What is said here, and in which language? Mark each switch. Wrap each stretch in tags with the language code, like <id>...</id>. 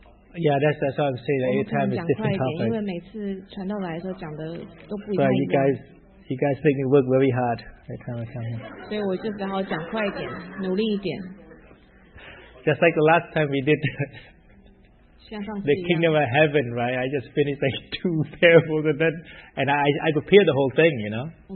<en>Yeah, that's what I'm saying. Every time is different topic.</en> <zh>因为每次传道来的时候讲的都不一样。</zh> <en>You guys make me work very hard. Every time.</en> <zh>所以我就只好讲快一点，努力一点。</zh> <en>Just like the last time we did the kingdom of heaven, right? I just finished like two parables of that, and I prepared the whole thing, you know.</en>